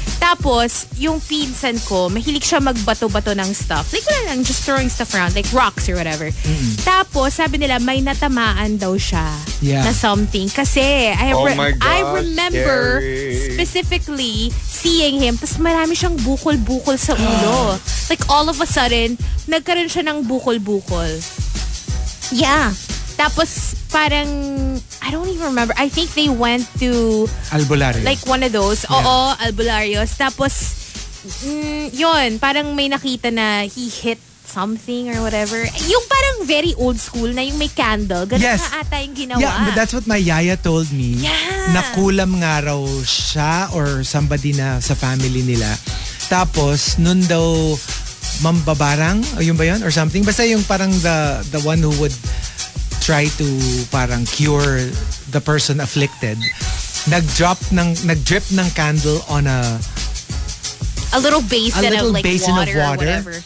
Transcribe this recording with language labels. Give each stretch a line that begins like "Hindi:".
Filipino: Tapos, yung pinsan ko, mahilig siya magbato-bato ng stuff.
English: Like,
Filipino: wala lang,
English: just throwing stuff around, like rocks or whatever. Mm-hmm.
Filipino: Tapos, sabi nila, may natamaan daw siya na something.
English: Kasi, I remember scary. Specifically seeing him,
Filipino: tapos marami siyang bukol-bukol sa ulo.
English: Like, all of a sudden,
Filipino: nagkaroon siya ng bukol-bukol.
English: Yeah. Tapos, parang, I don't even remember. I think they went to... Albularios. Like one of those. Yeah.
Filipino: Oo, Albularios. Tapos, yun, parang may nakita na
English: he hit something or whatever.
Filipino: Yung parang
English: very old school
Filipino: na yung may candle. Ganun
English: yes.
Filipino: Na ata yung ginawa.
English: Yeah, but that's what my yaya told me. Yeah.
Filipino: Nakulam nga raw siya or somebody na sa family nila. Tapos, nun daw, mambabarang, yun ba yun? Or something. Basta yung parang
English: the one who would... try to parang cure the person afflicted.
Filipino: Nag-drip ng candle on
English: a little basin of water.